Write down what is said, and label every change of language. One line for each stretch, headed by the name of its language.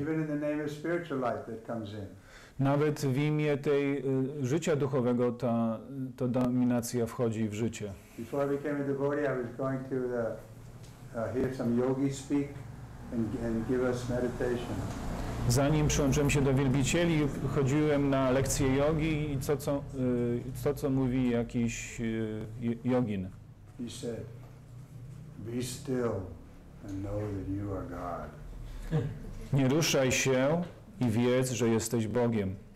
English: Even in the name of spiritual life that comes in.
Polish: Nawet w imię tej życia duchowego ta dominacja wchodzi w życie.
English: Before I became a devotee, I was going to hear some yogi speak and give us meditation.
Polish: Zanim przyłączyłem się do wielbicieli, chodziłem na lekcje jogi i co mówi jakiś jogin.
English: He said, be still. And know that you are God.
Polish: Nie ruszaj się i wiedz, że jesteś Bogiem.